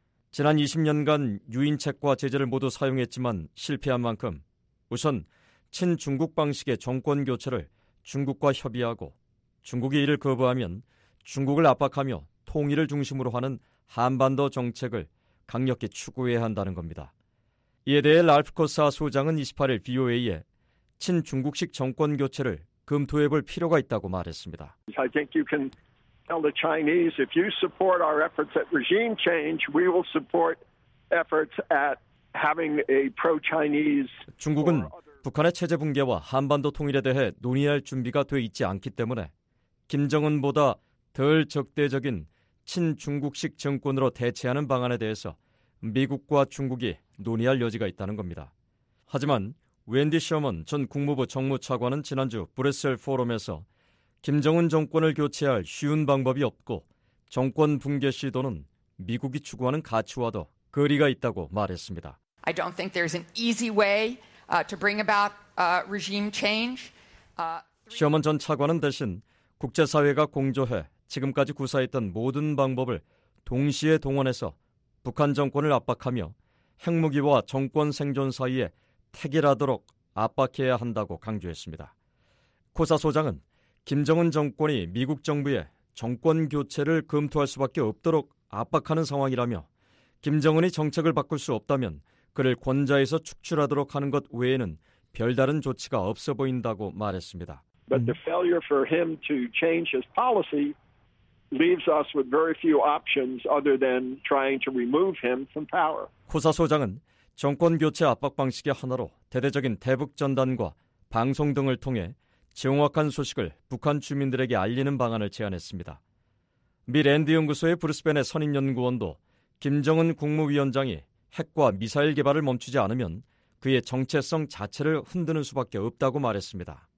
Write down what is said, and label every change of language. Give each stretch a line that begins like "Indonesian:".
Korean: 지난 20년간 유인책과 제재를 모두 사용했지만 실패한 만큼 우선 친중국 방식의 정권 교체를 중국과 협의하고 중국이 이를 거부하면 중국을 압박하며 통일을 중심으로 하는 한반도 정책을 강력히 추구해야 한다는 겁니다. 이에 대해 랄프 코사 소장은 28일 VOA에 친중국식 정권 교체를 검토해 볼 필요가 있다고 말했습니다.
English: I think you can tell the Chinese if you support our efforts at regime change, we will support efforts at having a pro-Chinese.
Korean: 중국은 북한의 체제 붕괴와 한반도 통일에 대해 논의할 준비가 돼 있지 않기 때문에 김정은보다 덜 적대적인 친중국식 정권으로 대체하는 방안에 대해서 미국과 중국이 논의할 여지가 있다는 겁니다. 하지만 웬디 셔먼 전 국무부 정무차관은 지난주 브뤼셀 포럼에서 김정은 정권을 교체할 쉬운 방법이 없고 정권 붕괴 시도는 미국이 추구하는 가치와도 거리가 있다고 말했습니다.
English: I don't think there's an easy way to bring about regime change.
Korean: 셔먼 전 차관은 대신 국제사회가 공조해 지금까지 구사했던 모든 방법을 동시에 동원해서 북한 정권을 압박하며 핵무기와 정권 생존 사이에 태결하도록 압박해야 한다고 강조했습니다. 코사 소장은 김정은 정권이 미국 정부에 정권 교체를 검토할 수밖에 없도록 압박하는 상황이라며 김정은이 정책을 바꿀 수 없다면 그를 권좌에서 축출하도록 하는 것 외에는 별다른 조치가 없어 보인다고 말했습니다.
English: But the failure for him to change his policy leaves us with very few options other than trying to remove him from power.
Korean: 코사 소장은 정권 교체 압박 방식의 하나로 대대적인 대북 전단과 방송 등을 통해 정확한 소식을 북한 주민들에게 알리는 방안을 제안했습니다. 미 랜드 연구소의 브루스벤의 선임 연구원도 김정은 국무위원장이 핵과 미사일 개발을 멈추지 않으면 그의 정체성 자체를 흔드는 수밖에 없다고 말했습니다.